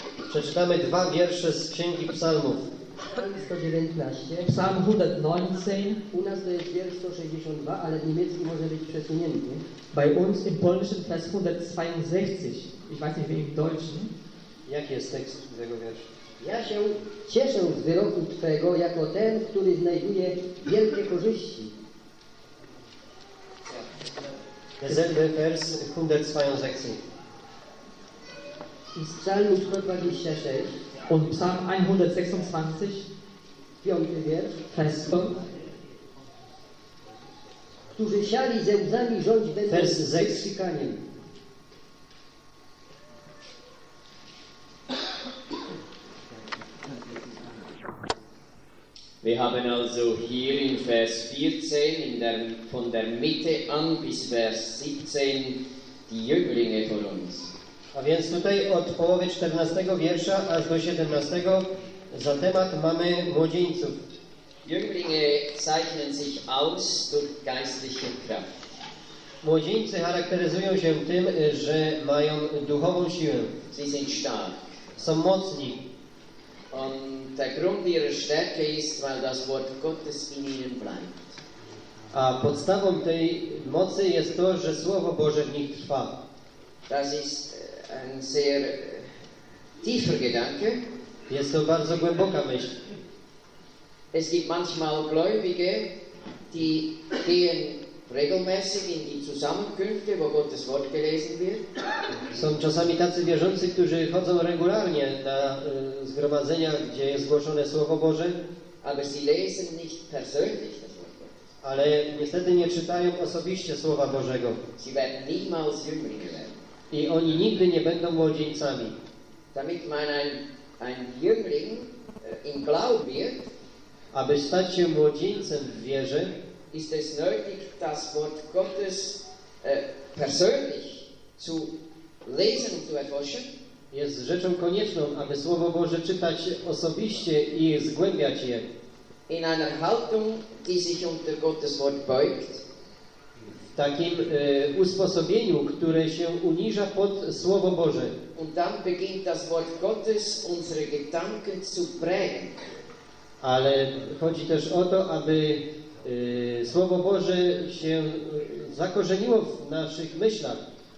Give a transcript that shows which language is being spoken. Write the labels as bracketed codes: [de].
[pl] Przeczytamy dwa wiersze z Księgi Psalmów. 119. Psalm 119. U nas to jest wiersz 162, ale w niemiecki może być przesunięty. [de] Bei uns im polnischen Vers 162. Ich weiß nicht, wie im deutschen. [pl] Jaki jest tekst tego wiersza? Ja się cieszę z wyroku Twego jako ten, który znajduje wielkie korzyści. [de] Derselbe Vers 162. [pl] Z Psalmu 126. [de] Und Psalm 126, [pl] 5. wiersz, Festo. Którzy siali ze łzami rządź będą z wykrzykaniem. [de] Wir haben also hier in Vers 14, von der Mitte an bis Vers 17, die Jünglinge von uns. [pl] A więc tutaj od połowy 14 wiersza aż do 17 za temat mamy młodzieńców. [de] Jünglinge zeichnen sich aus durch geistliche Kraft. [pl] Młodzieńcy charakteryzują się tym, że mają duchową siłę. [de] Sie sind stark. [pl] Są mocni. [de] Und der Grund ihrer Stärke ist, weil das Wort Gottes in ihnen bleibt. [pl] A podstawą tej mocy jest to, że Słowo Boże w nich trwa. [de] Das ist ein sehr tiefer Gedanke. [pl] Jest to bardzo głęboka myśl. [de] Es gibt manchmal Gläubige, die gehen regelmäßig in die Zusammenkünfte, wo Gottes Wort gelesen wird. [pl] Są czasami tacy wierzący, którzy chodzą regularnie na zgromadzenia, gdzie jest głoszone Słowo Boże. [de] Aber sie lesen nicht persönlich das Wort Gottes. [pl] Ale niestety nie czytają osobiście Słowa Bożego. [de] Sie werden niemals jünglinge werden. [pl] I oni nigdy nie będą młodzieńcami. [de] Damit man ein Jüngling im Glauben wird, [pl] aby stać się młodzieńcem w wierze, [de] ist es nötig, das Wort Gottes persönlich zu lesen und zu erforschen. [pl] Jest rzeczą konieczną, aby Słowo Boże czytać osobiście i zgłębiać je. [de] In einer Haltung, die sich unter Gottes Wort beugt. [pl] W takim usposobieniu, które się uniża pod Słowo Boże. [de] Und dann beginnt das Wort Gottes unsere Gedanken zu prägen. [pl] Ale chodzi też o to, aby Słowo Boże się zakorzeniło w naszych myślach.